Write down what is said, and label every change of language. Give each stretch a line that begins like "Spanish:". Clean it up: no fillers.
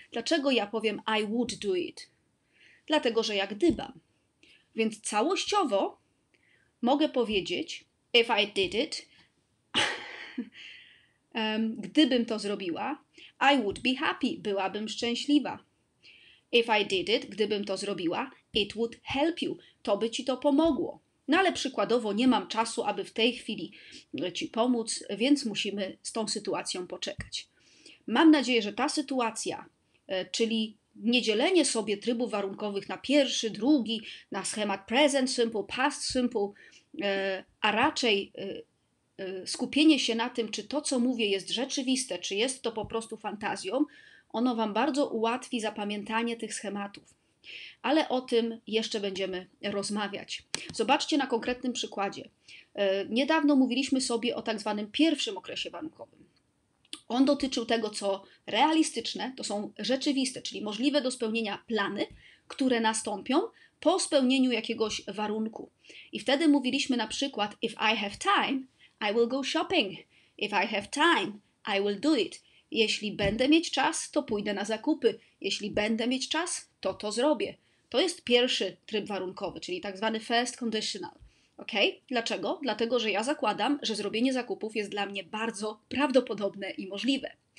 Polish: Dlaczego ja powiem
English: I would do it?
Polish: Dlatego, że jak gdybam. Więc całościowo mogę powiedzieć
English: if I did it,
Polish: gdybym to zrobiła,
English: I would be happy,
Polish: byłabym szczęśliwa.
English: If I did it,
Polish: gdybym to zrobiła,
English: it would help you,
Polish: to by ci to pomogło. No ale przykładowo nie mam czasu, aby w tej chwili ci pomóc, więc musimy z tą sytuacją poczekać. Mam nadzieję, że ta sytuacja, czyli niedzielenie sobie trybów warunkowych na pierwszy, drugi, na schemat present simple, past simple, a raczej skupienie się na tym, czy to, co mówię, jest rzeczywiste, czy jest to po prostu fantazją, ono Wam bardzo ułatwi zapamiętanie tych schematów. Ale o tym jeszcze będziemy rozmawiać. Zobaczcie na konkretnym przykładzie. Niedawno mówiliśmy sobie o tak zwanym pierwszym okresie warunkowym. On dotyczył tego, co realistyczne, to są rzeczywiste, czyli możliwe do spełnienia plany, które nastąpią po spełnieniu jakiegoś warunku. I wtedy mówiliśmy na przykład
English: if I have time, I will go shopping. If I have time, I will do it.
Polish: Jeśli będę mieć czas, to pójdę na zakupy. Jeśli będę mieć czas, to zrobię. To jest pierwszy tryb warunkowy, czyli tak zwany first conditional. Ok? Dlaczego? Dlatego, że ja zakładam, że zrobienie zakupów jest dla mnie bardzo prawdopodobne i możliwe.